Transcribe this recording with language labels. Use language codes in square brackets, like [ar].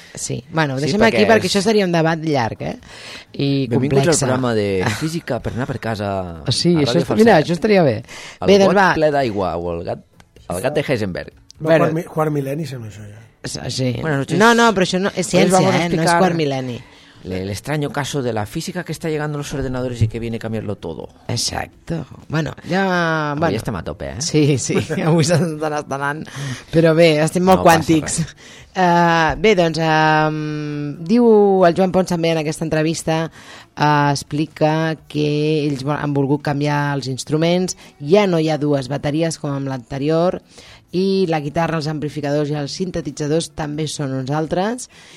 [ca] Sí, bueno, deixem sí, aquí perquè això seria un debat llarg, eh? I complex. Benvinguts al programa de física per anar per casa. Sí, això, mira, això estaria bé. El gat doncs ple d'aigua o el gat de Heisenberg. Bueno, quart mil·lenni, sembla això, ja. Sí. Bueno, no, però això no és ciència, no és quart mil·lenni. [es] El estranyo caso de la física que está llegando a los ordenadores y que viene a cambiarlo todo. Exacto. Bueno, ya... [ca] Avui bueno, estem a tope, eh? Sí, sí, avui s'estan estalant. Però bé, estem molt no quàntics. Bé, doncs, diu el Joan Pons també en aquesta entrevista, explica que ells han volgut canviar els instruments, ja no hi ha dues bateries com amb l'anterior, i la guitarra, els amplificadors i els sintetitzadors també són uns altres.